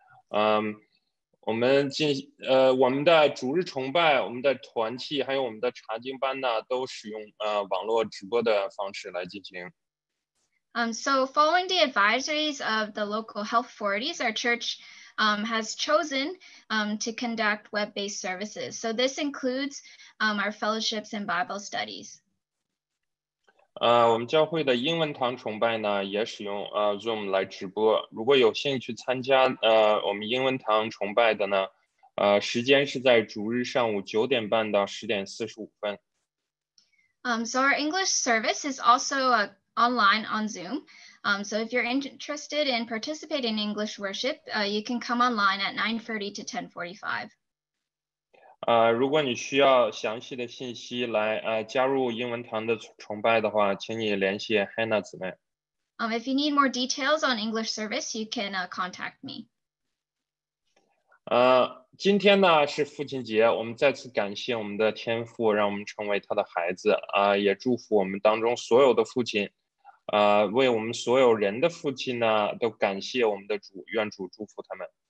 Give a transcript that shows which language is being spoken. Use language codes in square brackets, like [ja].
[zh] 我们的主日崇拜、我们的团契还有我们的查经班呢，都使用网络直播的方式来进行。 [en] So following the advisories of the local health authorities, our church has chosen to conduct web-based services. So this includes our fellowships and Bible studies. [zh] 我们教会的英文堂崇拜呢，也使用Zoom 来直播。如果有兴趣参加我们英文堂崇拜的呢，时间是在主日上午9:30到10:45。 [en] So our English service is also online on Zoom. So if you're interested in participating in English worship, you can come online at 9:30 to 10:45. [zh] 如果你需要详细的信息来加入英文堂的崇拜的话，请你联系 Hannah 姊妹。 [en] If you need more details on English service, you can contact me. [zh] 今天呢是父亲节，我们再次感谢我们的天父，让我们成为他的孩子。也祝福我们当中所有的父亲。为我们所有人的父亲呢，都感谢我们的主，愿主祝福他们。